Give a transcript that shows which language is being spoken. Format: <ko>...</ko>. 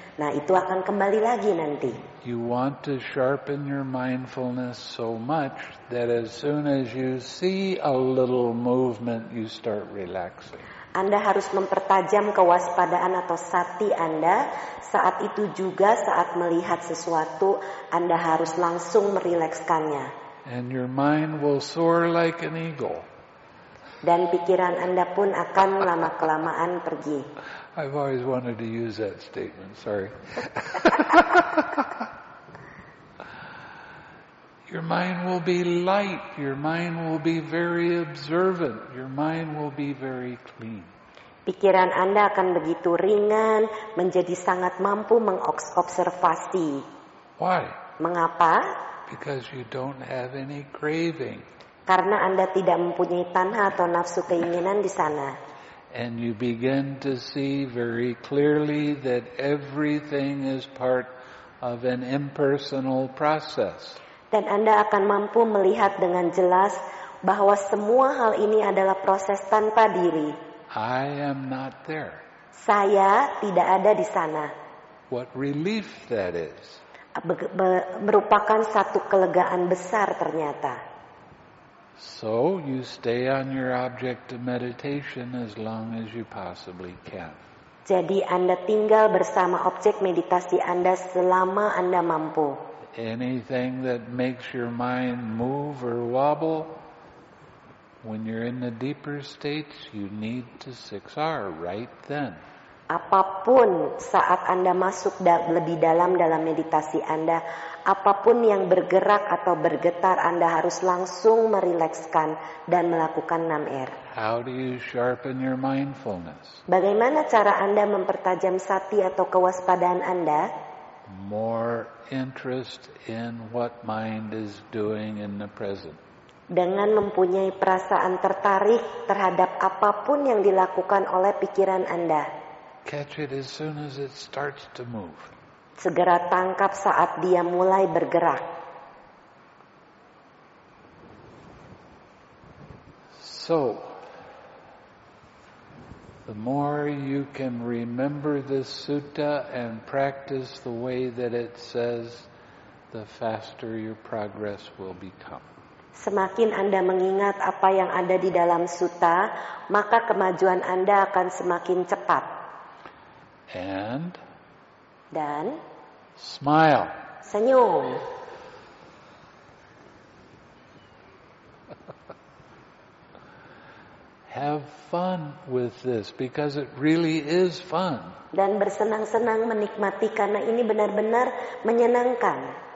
<id>Nah, itu akan kembali lagi nanti.</id> <en>You want to sharpen your mindfulness so much that as soon as you see a little movement, you start relaxing.</en> <id>Anda harus mempertajam kewaspadaan atau sati Anda. Saat itu juga saat melihat sesuatu, Anda harus langsung merilekskannya.</id> <en>And your mind will soar like an eagle.</en> <id>Dan pikiran Anda pun akan lama-kelamaan pergi.</id> <en>I've always wanted to use that statement, sorry. Your mind will be light, your mind will be very observant, your mind will be very clean.</en> <id>Pikiran Anda akan begitu ringan, menjadi sangat mampu mengobservasi.</id> <en>Why?</en> <id>Mengapa?</id> <en>Because you don't have any craving.</en> <id>Karena Anda tidak mempunyai tanha atau nafsu keinginan di sana.</id> <en>And you begin to see very clearly that everything is part of an impersonal process.</en> <id>Dan Anda akan mampu melihat dengan jelas bahwa semua hal ini adalah proses tanpa diri.</id> <en>I am not there.</en> <id>Saya tidak ada di sana.</id> <en>What relief that is.</en> <id>Merupakan satu kelegaan besar ternyata.</id> <en>So you stay on your object of meditation as long as you possibly can.</en> <id>Jadi Anda tinggal bersama objek meditasi Anda selama Anda mampu.</id> <en>Anything that makes your mind move or wobble, when you're in the deeper states, you need to 6R right then.</en> <id>Apapun saat Anda masuk lebih dalam dalam meditasi Anda, apapun yang bergerak atau bergetar, Anda harus langsung merilekskan dan melakukan 6R.</id> <en>How do you sharpen your mindfulness?</en> <id>Bagaimana cara Anda mempertajam sati atau kewaspadaan Anda?</id> <en>More interest in what mind is doing in the present.</en> <id>Dengan mempunyai perasaan tertarik terhadap apapun yang dilakukan oleh pikiran Anda.</id> <en>Catch it as soon as it starts to move.</en> <id>Segera tangkap saat dia mulai bergerak.</id> <en>So, the more you can remember this sutta and practice the way that it says, the faster your progress will become.</en> <id>Semakin Anda mengingat apa yang ada di dalam sutta, maka kemajuan Anda akan semakin cepat.</id> <en>And</en> <id>dan</id> <en>smile.</en> <id>Senyum.</id> <en>Have fun with this because it really is fun.</en> <id>Dan bersenang-senang menikmati karena ini benar-benar menyenangkan.</id>